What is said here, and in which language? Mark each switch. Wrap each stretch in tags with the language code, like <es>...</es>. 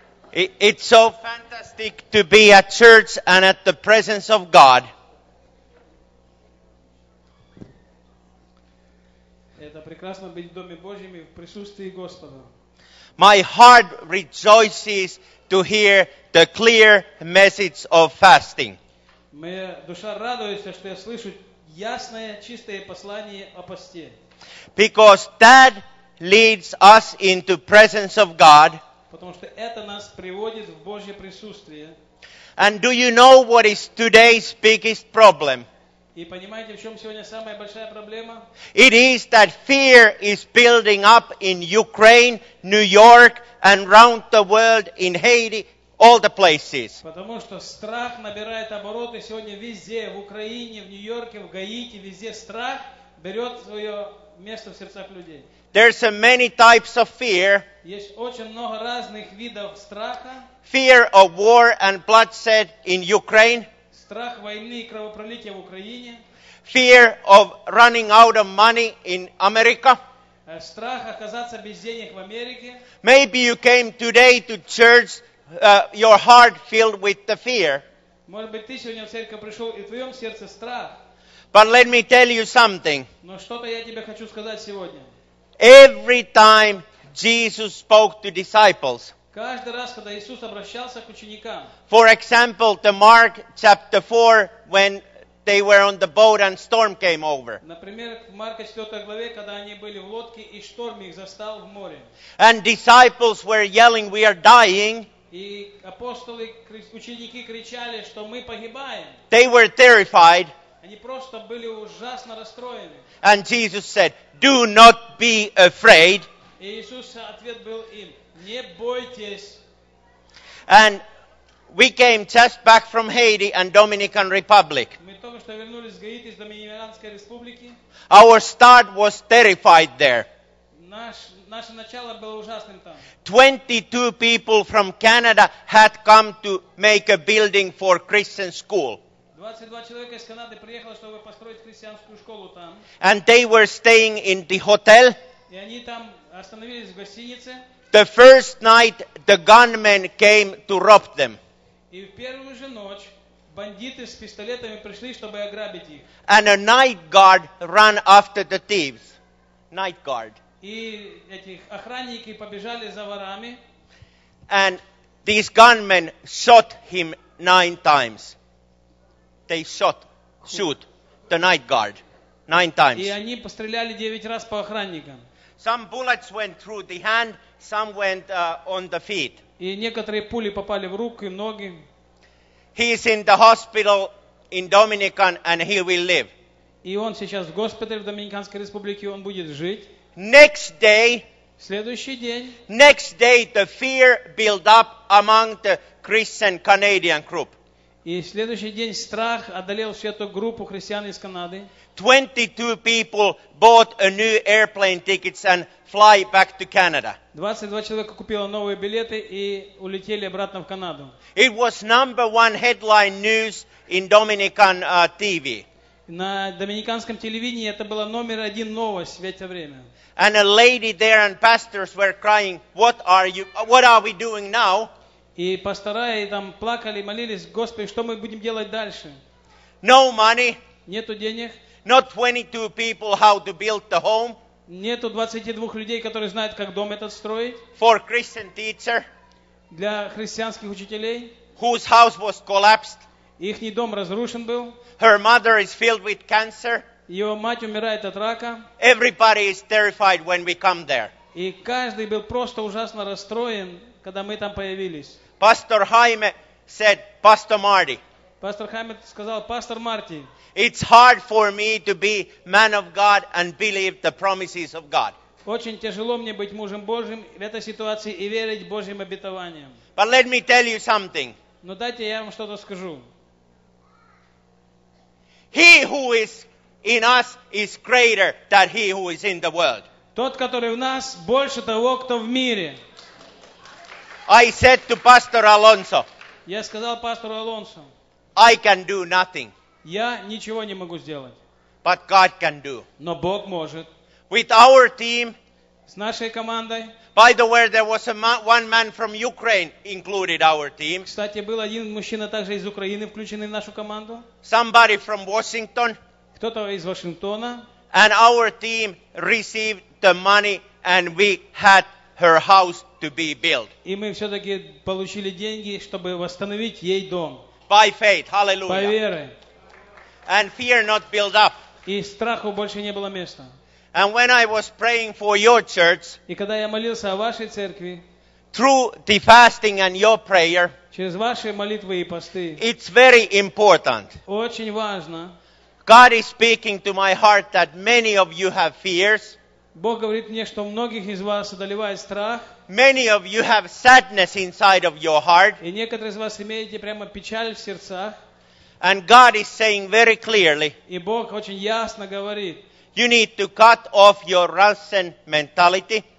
<en>It's so fantastic to be at church and at the presence of God.</en> <ru>Это прекрасно быть в Доме Божьем и в присутствии Господа.</ru> <en>My heart rejoices to hear the clear message of fasting.</en> <ru>Моя душа радуется, что я слышу ясное, чистое послание о посте.</ru> <en>Because that leads us into presence of God.</en> <ru>Потому что это нас приводит в Божье присутствие.</ru> <en>And do you know what is today's biggest problem?</en> <ru>И понимаете, в чем сегодня самая большая проблема?</ru> <en>It is that fear is building up in Ukraine, New York, and around the world, in Haiti, all the places.</en> <ru>Потому что страх набирает обороты сегодня везде, в Украине, в Нью-Йорке, в Гаити, везде страх берет свое место в сердцах людей.</ru> <en>There's many types of fear.</en> <ru>Есть очень много разных видов страха.</ru> <en>Fear of war and bloodshed in Ukraine.</en> <ru>Страх войны и кровопролития в Украине.</ru> <en>Fear of running out of money in America.</en> <ru>Страх оказаться без денег в Америке.</ru> <en>Maybe you came today to church, your heart filled with the fear.</en> <ru>Может быть, ты сегодня в церковь пришел, и в твоем сердце страх.</ru> <en>But let me tell you something.</en> <ru>Но что-то я тебе хочу сказать сегодня.</ru> <en>Every time Jesus spoke to disciples.</en> <ru>Каждый раз, когда Иисус обращался к ученикам.</ru> <en>For example, the Mark chapter 4, when they were on the boat and storm came over.</en> <ru>Например, в Марка 4 главе, когда они были в лодке и шторм их застал в море.</ru> <en>And disciples were yelling, "We are dying."</en> <ru>И апостолы, ученики кричали, что мы погибаем.</ru> <en>They were terrified.</en> <ru>Они просто были ужасно расстроены.</ru> <en>And Jesus said, "Do not be afraid."</en> <ru>И Иисус ответ был им: "Не бойтесь."</ru> <en>And we came just back from Haiti and Dominican Republic.</en> <ru>Мы только что вернулись из Гаити, из Доминиканской Республики.</ru> <en>Our start was terrified there.</en> <ru>Наше начало было ужасным там.</ru> <en>22 people from Canada had come to make a building for Christian school.</en> <ru>22 человека из Канады приехало, чтобы построить христианскую школу там.</ru> <en>And they were staying in the hotel.</en> <ru>И они там остановились в гостинице.</ru> <en>The first night, the gunmen came to rob them.</en> <ru>И в первую же ночь бандиты с пистолетами пришли, чтобы ограбить их.</ru> <en>And a night guard ran after the thieves. Night guard.</en> <ru>И эти охранники побежали за ворами.</ru> <en>And these gunmen shot him 9 times. They shoot the night guard 9 times.</en> <ru>И они постреляли 9 раз по охранникам.</ru> <en>Some bullets went through the hand, some went on the feet.</en> <ru>И некоторые пули попали в руки, ноги.</ru> <en>He is in the hospital in Dominican and he will live.</en> <ru>И он сейчас в госпитале в Доминиканской Республике, он будет жить.</ru> <en>Next day.</en> <ru>Следующий день.</ru> <en>Next day the fear built up among the Christian Canadian group.</en> <ru>И следующий день страх одолел всю эту группу христиан из Канады.</ru> <en>22 people bought a new airplane tickets and fly back to Canada.</en> <ru>22 человека купило новые билеты и улетели обратно в Канаду.</ru> <en>It was number one headline news in Dominican TV.</en> <ru>На доминиканском телевидении это была номер один новость в это время.</ru> <en>And a lady there and pastors were crying, what are we doing now?</en> <ru>И пастора и там плакали, молились: Господи, что мы будем делать дальше?</ru> <en>No money.</en> <ru>Нету денег.</ru> <en>Not 22 people how to build the home.</en> <ru>Нету 22 людей, которые знают, как дом этот строить.</ru> <en>For Christian teacher.</en> <ru>Для христианских учителей.</ru> <en>Whose house was collapsed.</en> <ru>Ихний дом разрушен был.</ru> <en>Her mother is filled with cancer.</en> <ru>Ее мать умирает от рака.</ru> <en>Everybody is terrified when we come there.</en> <ru>И каждый был просто ужасно расстроен, когда мы там появились.</ru> <en>Pastor Jaime said, Pastor Marty.</en> <ru>Пастор Хайме сказал: Пастор Марти.</ru> <en>It's hard for me to be man of God and believe the promises of God.</en> <ru>Очень тяжело мне быть мужем Божьим в этой ситуации и верить Божьим обетованиям.</ru> <en>But let me tell you something.</en> <ru>Но дайте я вам что-то скажу.</ru> <en>He who is in us is greater than he who is in the world.</en> <ru>Тот, который в нас, больше того, кто в мире.</ru> <en>I said to Pastor Alonso.</en> <ru>Я сказал пастору Алонсо.</ru> <en>I can do nothing.</en> <ru>Я ничего не могу сделать.</ru> <en>But God can do.</en> <ru>Но Бог может.</ru> <en>With our team.</en> <ru>С нашей командой.</ru> <en>By the way, there was one man from Ukraine included our team.</en> <ru>Кстати, был один мужчина также из Украины, включенный в нашу команду.</ru> <en>Somebody from Washington.</en> <ru>Кто-то из Вашингтона.</ru> <en>And our team received the money, and we had her house to be built.</en> <ru>И мы все-таки получили деньги, чтобы восстановить ей дом.</ru> <en>By faith, hallelujah.</en> <ru>По вере.</ru> <en>And fear not build up.</en> <ru>И страху больше не было места.</ru> <en>And when I was praying for your church,</en> <ru>и когда я молился о вашей церкви,</ru> <en>through the fasting and your prayer,</en> <ru>через ваши молитвы и посты,</ru> <en>it's very important.</en> <ru>Очень важно.</ru> <en>God is speaking to my heart that many of you have fears.</en> <ru>Бог говорит мне, что многих из вас одолевает страх.</ru> <en>Many of you have sadness inside of your heart.</en> <ru>И некоторые из вас имеете прямо печаль в сердцах.</ru> <en>And God is saying very clearly.</en> <ru>И Бог очень ясно говорит.</ru> <en>You need to cut off your Russian mentality.</en>